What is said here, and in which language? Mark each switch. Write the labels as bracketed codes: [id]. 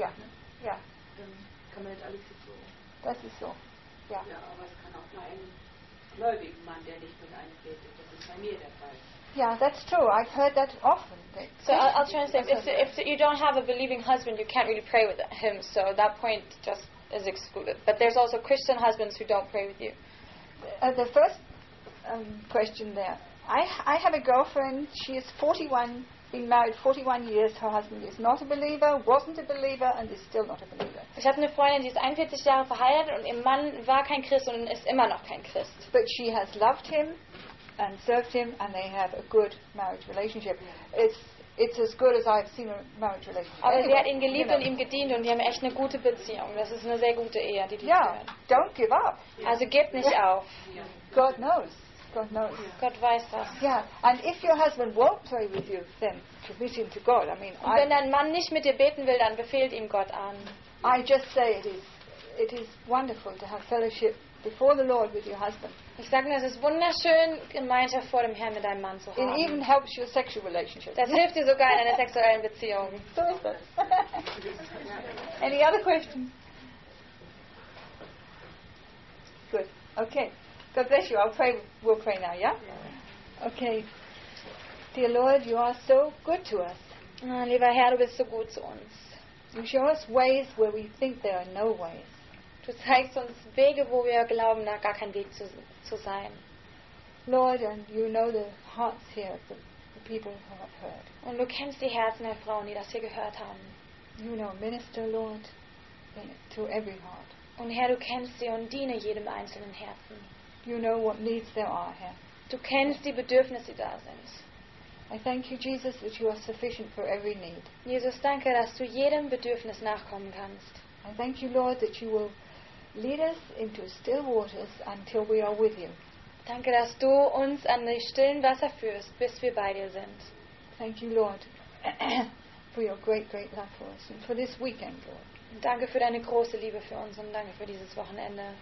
[de] yeah. Ne? Ja. Yeah. Dann kann man nicht alles so. Das ist so. Ja. Ja, aber es kann auch nur ein gläubiger Mann, der nicht mit einem betet. Das ist bei mir der Fall. [en] Yeah, that's true. I've heard that often. So I'll translate. If you don't have a believing husband, you can't really pray with him. So that point just is excluded. But there's also Christian husbands who don't pray with you. The first question there. I have a girlfriend. She is 41, been married 41 years. Her husband is not a believer, wasn't a believer, and is still not a believer. [de] Ich habe eine Freundin, die ist 41 Jahre verheiratet und ihr Mann war kein Christ und ist immer noch kein Christ. [en] But she has loved him. And served him, and they have a good marriage relationship. It's it's as good as I've seen a marriage relationship. [de] Aber sie hat ihn geliebt und ihm gedient und die haben echt eine gute Beziehung. Das ist eine sehr gute Ehe, die die führen. [en] Yeah, don't give up. [de] Also gebt nicht auf. [en] God knows. God knows. Yeah. [de] Gott weiß das. [en] Yeah, and if your husband won't pray with you, then commit him to God. I mean, [de] und wenn dein Mann nicht mit dir beten will, dann befehlt ihm Gott an. [en] I just say it is wonderful to have fellowship before the Lord with your husband. [de] Ich sage nur, es ist wunderschön, Gemeinschaft vor dem Herrn mit deinem Mann zu haben. [en] It even helps your sexual relationship. [de] Das hilft dir sogar in einer sexuellen Beziehung. So ist das. [en] Any other questions? Good. Okay. God bless you. I'll pray. We'll pray now, yeah? Okay. Dear Lord, you are so good to us. [de] Lieber Herr, du bist so gut zu uns. [en] You show us ways where we think there are no ways. [de] Du zeigst uns Wege, wo wir glauben, da gar kein Weg zu sein. [en] Lord, and you know the hearts here, the people who have heard. [de] Und du kennst die Herzen der Frauen, die das hier gehört haben. [en] You know, minister, Lord, to every heart. [de] Und Herr, du kennst sie und diene jedem einzelnen Herzen. [en] You know what needs there are, Herr. [de] Du kennst die Bedürfnisse, die da sind. [en] I thank you, Jesus, that you are sufficient for every need. [de] Jesus, danke, dass du jedem Bedürfnis nachkommen kannst. [en] I thank you, Lord, that you will lead us into still waters until we are with you. [de] Danke, dass du uns an die stillen Wasser führst, bis wir bei dir sind. [en] Thank you, Lord, for your great, great love for us and for this weekend, Lord. [de] Danke für deine große Liebe für uns und danke für dieses Wochenende.